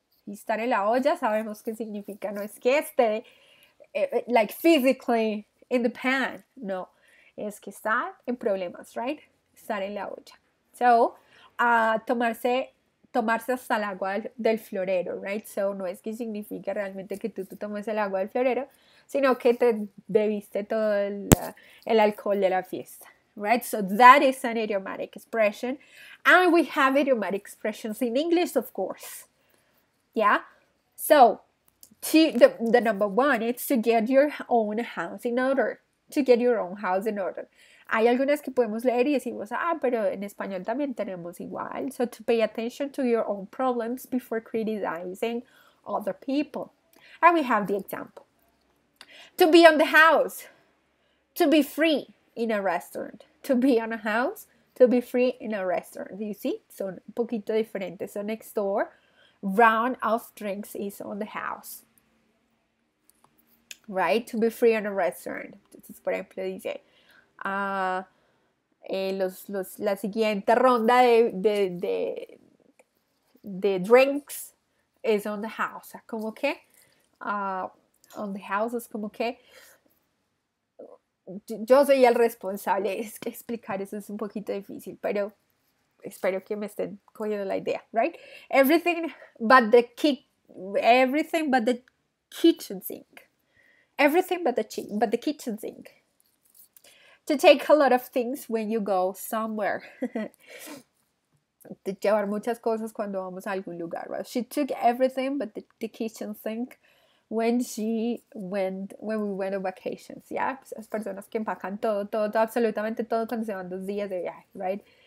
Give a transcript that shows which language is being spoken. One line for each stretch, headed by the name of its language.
Spanish: Estar en la olla, sabemos qué significa, no es que esté,
English: like physically in the pan,
Spanish: no, es que está en problemas, right? Estar en la olla. So, tomarse hasta el agua del florero, right? So, no es que significa realmente que tú tomes el agua del florero, sino que te bebiste todo el alcohol de la fiesta, right?
English: So, that is an idiomatic expression. And we have idiomatic expressions in English, of course. Yeah, so the number one is to get your own house in order. To get your own house in order.
Spanish: Hay algunas que podemos leer y decimos, ah, pero en español también tenemos igual.
English: So to pay attention to your own problems before criticizing other people. And we have the example. To be on the house. To be free in a restaurant. To be on a house. To be free in a restaurant. You see?
Spanish: Son un poquito diferentes.
English: So next door. Round of drinks is on the house. Right? To be free in a restaurant.
Spanish: Entonces, por ejemplo, dice, la siguiente ronda de
English: drinks is on the house.
Spanish: ¿Cómo que?
English: On the house
Spanish: es como que yo soy el responsable. Es que explicar eso es un poquito difícil, pero espero que me estén cogiendo la idea, right?
English: Everything but the kitchen sink. Everything but the kitchen sink. To take a lot of things when you go somewhere.
Spanish: De llevar muchas cosas cuando vamos a algún lugar, right?
English: She took everything but the kitchen sink when we went on vacations, yeah?
Spanish: Las personas que empacan todo, absolutamente todo cuando se van 2 días de viaje, right?